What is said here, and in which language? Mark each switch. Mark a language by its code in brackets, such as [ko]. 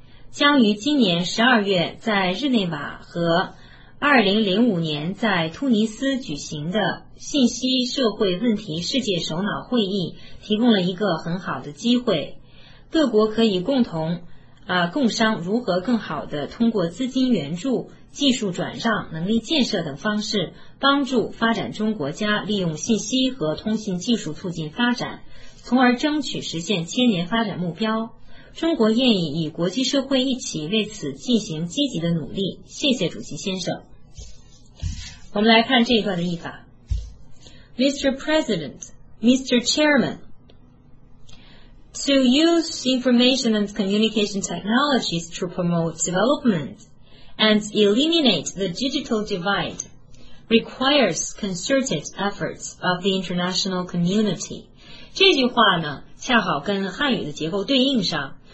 [zh] 将于今年12月在日内瓦和2005年在突尼斯举行的信息社会问题世界首脑会议提供了一个很好的机会，各国可以共同共商如何更好地通过资金援助、技术转让、能力建设等方式帮助发展中国家利用信息和通信技术促进发展，从而争取实现千年发展目标。中国愿意与国际社会一起为此进行积极的努力，谢谢主席先生。我们来看这一段的译法。 [en] Mr. President, Mr. Chairman, to use information and communication technologies to promote development and eliminate the digital divide requires concerted efforts of the international community. [zh] 这句话呢，恰好跟汉语的结构对应上。